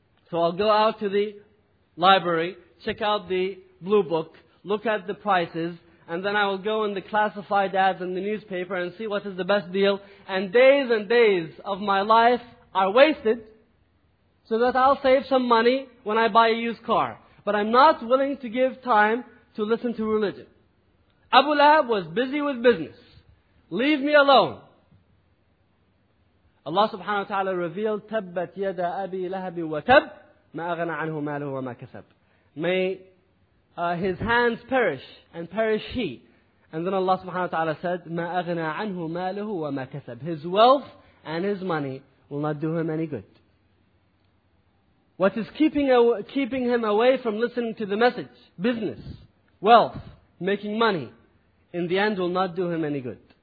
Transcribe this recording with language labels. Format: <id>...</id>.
<en>So I'll go out to the library, check out the Blue Book, look at the prices, and then I will go in the classified ads in the newspaper and see what is the best deal. And days of my life are wasted so that I'll save some money when I buy a used car. But I'm not willing to give time to listen to religion. Abu Lahab was busy with business. Leave me alone.</en> <ar>Allah subhanahu wa ta'ala revealed, تَبَّتْ يَدَا أَبِي لَهَبِ وَتَبْ مَا أَغَنَ عَنْهُ مَالُهُ وَمَا كَسَبْ.</ar> <en>May his hands perish, and perish he. And then Allah subhanahu wa ta'ala said,</en> <ar>مَا أَغْنَى عَنْهُ مَالُهُ وَمَا كَسَبْ.</ar> <en>His wealth and his money will not do him any good. What is keeping him away from listening to the message, business, wealth, making money, in the end will not do him any good.</en>